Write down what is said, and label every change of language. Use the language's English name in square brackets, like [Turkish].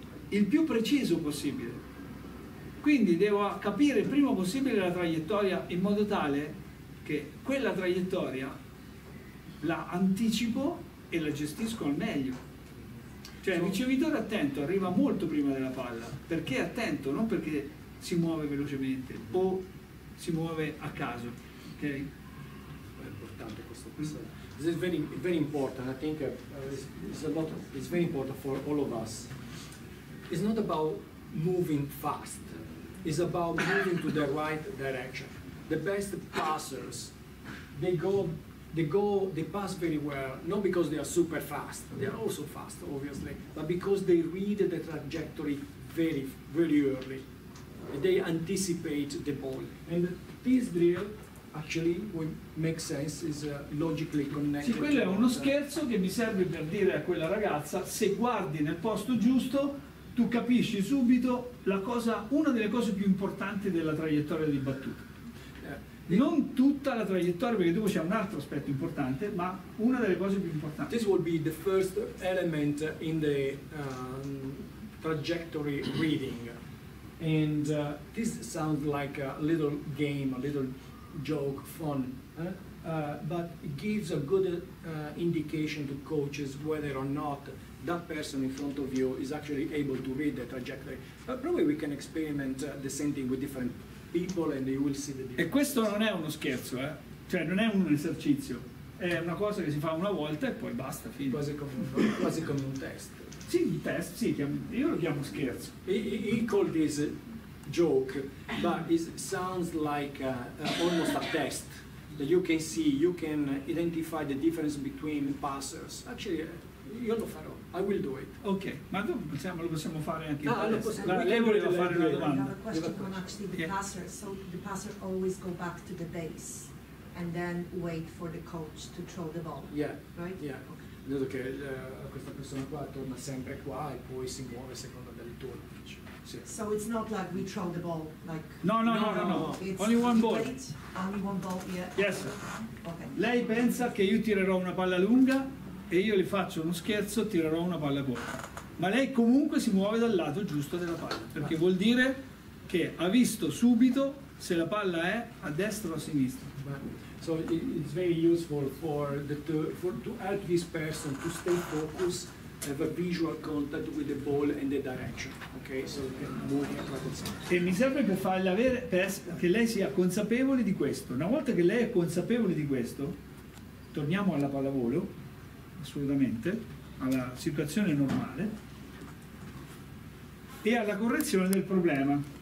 [Italian] il più preciso possibile. Quindi devo capire il prima possibile la traiettoria in modo tale che quella traiettoria la anticipo e la gestisco al meglio. Cioè il ricevitore attento arriva molto prima della palla, perché è attento, non perché si muove velocemente o si muove a caso, ok? È importante questo questione. [English] This is very, very important. I think it's a lot of, it's very important for all of us. It's not about moving fast. It's about moving to the right direction. The best passers, they pass very well, not because they are super fast, they are also fast, obviously, but because they read the trajectory very, very early. They anticipate the ball. And this drill, actually, would make sense, is logically connected. [Italian] Sì, quello è uno scherzo che mi serve per dire a quella ragazza, se guardi nel posto giusto, tu capisci subito la cosa, una delle cose più importanti della traiettoria di battuta. Non tutta la traiettoria, perché dopo c'è un altro aspetto importante, ma una delle cose più importanti. [English] This will be the first element in the trajectory reading. And this sounds like a little game, a little joke, fun. But it gives a good indication to coaches whether or not that person in front of you is actually able to read the trajectory. But probably we can experiment the same thing with different people and you will see the difference. [Italian] E questo non è uno scherzo, eh? Cioè non è un esercizio, è una cosa che si fa una volta e poi basta, fine. Quasi come un test. Sì, un test, sì, io lo chiamo scherzo. [English] He called this a joke, but it sounds like almost a test that you can see, you can identify the difference between passers. Actually, [Italian] io lo farò. [English] I will do it. [Italian] Okay. Ma dopo possiamo, lo possiamo fare anche no, lo possiamo, la, lei voleva fare una domanda. [English] Another question on actually the passer. So the passer always go back to the base and then wait for the coach to throw the ball. Yeah. Right? Yeah. Okay. [Italian] Dato che questa persona qua torna sempre qua e poi si muove secondo del tour. [English] So it's not like we throw the ball like No. It's only one ball. Wait, only one ball, yeah. Yes. Okay. [Italian] Lei pensa che io tirerò una palla lunga? E io le faccio uno scherzo, tirerò una palla corta. Ma lei comunque si muove dal lato giusto della palla, perché vuol dire che ha visto subito se la palla è a destra o a sinistra. [English] So it's very useful for the to help this person to stay focused, have a visual contact with the ball and the direction. Okay, so move [Italian] E mi serve per farle avere che lei sia consapevole di questo. Una volta che lei è consapevole di questo, torniamo alla pallavolo. Assolutamente, alla situazione normale e alla correzione del problema.